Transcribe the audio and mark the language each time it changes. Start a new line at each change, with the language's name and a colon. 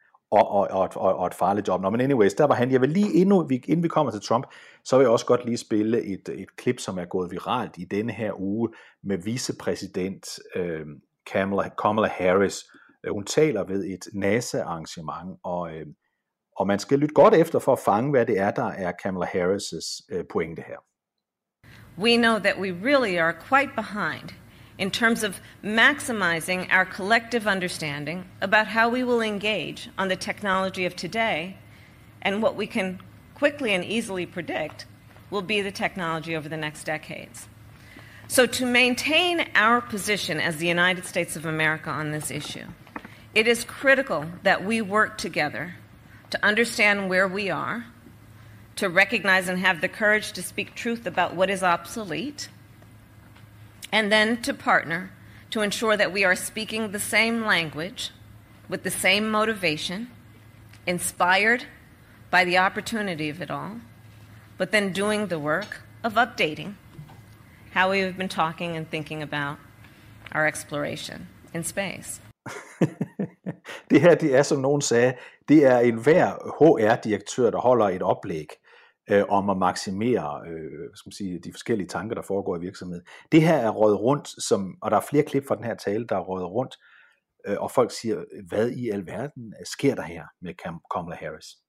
Danish: Og et farligt job. Nå, men anyways, der var han. Jeg vil lige, inden vi kommer til Trump, så vil jeg også godt lige spille et klip, som er gået viralt i denne her uge med vicepræsident Kamala Harris. Hun taler ved et NASA-arrangement, og man skal lytte godt efter for at fange, hvad det er, der er Kamala Harris' pointe her.
English: We know that we really are quite behind in terms of maximizing our collective understanding about how we will engage on the technology of today and what we can quickly and easily predict will be the technology over the next decades. So to maintain our position as the United States of America on this issue, it is critical that we work together to understand where we are, to recognize and have the courage to speak truth about what is obsolete, and then to partner to ensure that we are speaking the same language with the same motivation, inspired by the opportunity of it all, but then doing the work of updating how we have been talking and thinking about our exploration in space.
Danish: Det her, det er, som nogen sagde, det er enhver HR-direktør, der holder et oplæg om at maksimere de forskellige tanker, der foregår i virksomheden. Det her er røget rundt, og der er flere klip fra den her tale, der er røget rundt, og folk siger, hvad i alverden sker der her med Kamala Harris?